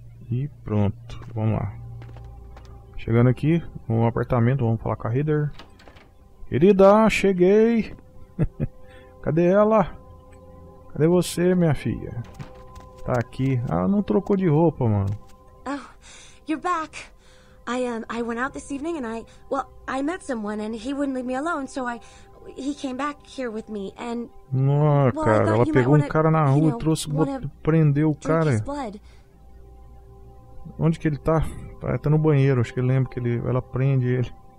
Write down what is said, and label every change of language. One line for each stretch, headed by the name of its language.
Portuguese: E pronto, vamos lá. Chegando aqui no apartamento, vamos falar com a Heather. Querida, cheguei! Cadê ela? Cadê você, minha filha? Tá aqui. Ah, não trocou de roupa, mano.
English: Oh, you're back. I went out this evening and I met someone and he wouldn't leave me alone, so he came back here with me and
Portuguese: cara, ela pegou um cara na rua e trouxe, prendeu o cara. Onde que ele tá? Tá no banheiro, acho que eu lembro que ela prende ele.